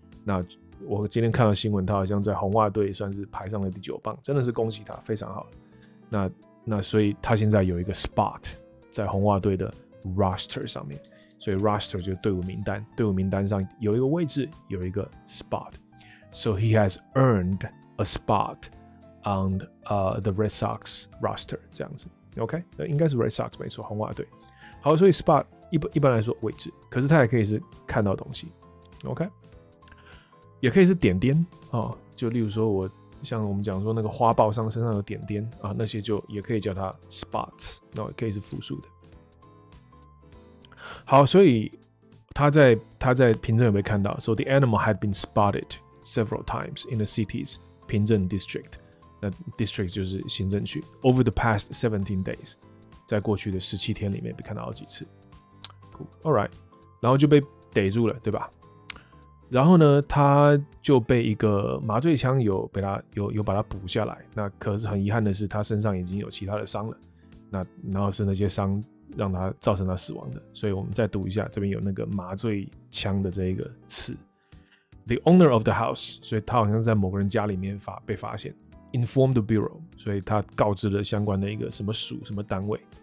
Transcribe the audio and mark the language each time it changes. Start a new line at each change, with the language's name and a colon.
Chinese: 那我今天看到新闻，他好像在红袜队算是排上了第九棒，真的是恭喜他，非常好。那所以他现在有一个 spot 在红袜队的 roster 上面。所以 roster 就是队伍名单，队伍名单上有一个位置，有一个 spot。
English: So he has earned a spot on the Red Sox roster 这样子 ，OK？
Chinese: 应该是 Red Sox 没错，红袜队。
English: 好，所以 spot
Chinese: 一般来说位置，可是它也可以是看到东西 ，OK， 也可以是点点哦，就例如说我像我们讲说那个花豹上身上有点点啊，那些就也可以叫它 spots， 然后也可以是复数的。好，所以他在平镇有被看到 ，
English: so the animal had been spotted several times in the city's 平镇
Chinese: district， 那 district 就是行政区 ，
English: over the past 17 days，
Chinese: 在过去的17天里面被看到好几次。
English: Cool.
Chinese: All right， 然后就被逮住了，对吧？然后呢，他就被一个麻醉枪有把他补下来。那可是很遗憾的是，他身上已经有其他的伤了。那然后是那些伤让他造成他死亡的。所以我们再读一下，这边有那个麻醉枪的这一个词 ，
English: the owner of the house，
Chinese: 所以他好像在某个人家里面被发现 ，
English: informed the bureau，
Chinese: 所以他告知了相关的一个什么署什么单位。